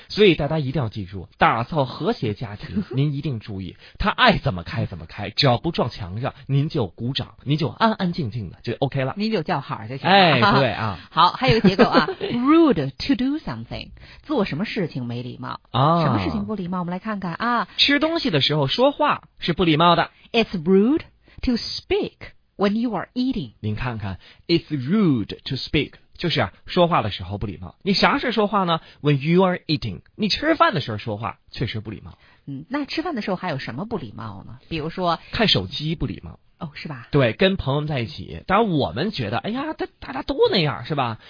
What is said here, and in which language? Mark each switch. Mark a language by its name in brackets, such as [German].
[Chinese] 对，所以大家一定要记住，打造和谐家庭，您一定注意，他爱怎么开怎么开，只要不撞墙上，您就鼓掌，您就安安静静的就 OK 了，您就叫好就行了。哎，对啊。好，还有一个结构啊， [English] rude to do something， [Chinese] 做什么事情没礼貌啊？什么事情不礼貌？我们来看看啊，吃东西的时候说话是不礼貌的。 [English] It's rude to speak when you are eating。 [Chinese] 您看看 [English] ，it's rude to speak。 [Chinese] 就是啊，说话的时候不礼貌。你啥事说话呢 ？ [English] When you are eating， [Chinese] 你吃饭的时候说话确实不礼貌。嗯，那吃饭的时候还有什么不礼貌呢？比如说看手机不礼貌。哦，是吧？对，跟朋友们在一起，当然我们觉得，哎呀，大家都那样，是吧？